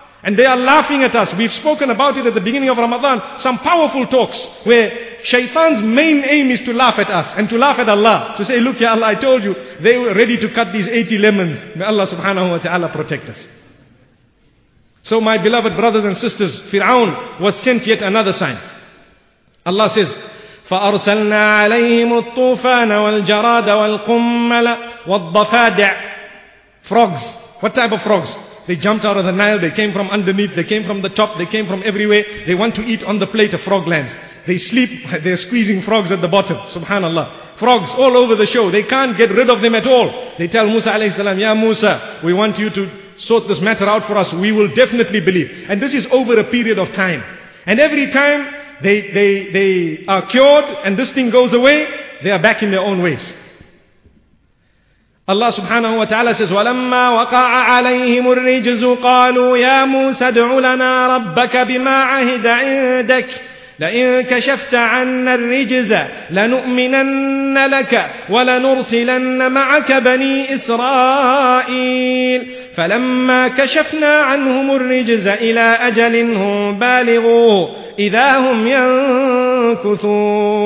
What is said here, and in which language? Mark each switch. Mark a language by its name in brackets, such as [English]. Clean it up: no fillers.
[English] And they are laughing at us. We've spoken about it at the beginning of Ramadan, some powerful talks, where shaitan's main aim is to laugh at us, and to laugh at Allah, to say, look, ya Allah, I told you, they were ready to cut these 80 lemons. May Allah subhanahu wa ta'ala protect us. So my beloved brothers and sisters, Fir'aun was sent yet another sign. Allah says, [Arabic] فأرسلنا عليهم الطوفان والجراد والقمل والضفادع. [English] Frogs. What type of frogs? They jumped out of the Nile, they came from underneath, they came from the top, they came from everywhere. They want to eat on the plate of frog lands. They sleep, they're squeezing frogs at the bottom. Subhanallah. Frogs all over the show. They can't get rid of them at all. They tell Musa alayhi salam, Ya Musa, we want you to sort this matter out for us. We will definitely believe. And this is over a period of time. And every time, They are cured and this thing goes away, they are back in their own ways. Allah subhanahu wa ta'ala says, [Arabic] وَلَمَّا وَقَعَ عَلَيْهِمُ الرِّجْزُ قَالُوا يَا مُوسَى ادْعُ لَنَا رَبَّكَ بِمَا عَهِدَ عِنْدَكَ لَئِنْ كَشَفْتَ عَنَّا الرِّجْزَ لَنُؤْمِنَنَّ لَكَ وَلَنُرْسِلَنَّ مَعَكَ بَنِي إِسْرَائِيلَ فَلَمَّا كَشَفْنَا عَنْهُمُ الرِّجْزَ إِلَى أَجَلٍ هُمْ بَالِغُوهُ إِذَا هُمْ يَنْكُثُونَ.